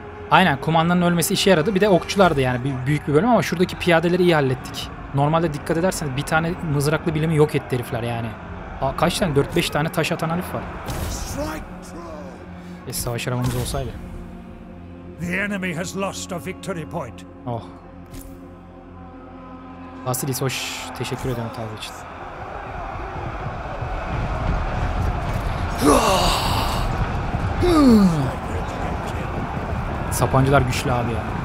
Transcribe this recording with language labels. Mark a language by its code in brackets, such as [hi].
[tr] Aynen, kumandanın ölmesi işe yaradı. Bir de okçulardı yani, büyük bir bölüm ama şuradaki piyadeleri iyi hallettik. Normalde dikkat ederseniz bir tane mızraklı bilimi yok etti herifler yani. Aa, kaç tane? 4-5 tane taş atan herif var. Savaş arabamız olsaydı. [en] The enemy has lost a victory point. Oh. [tr] Vasilis hoş, teşekkür ederim tabi için. Sapancılar güçlü abi ya.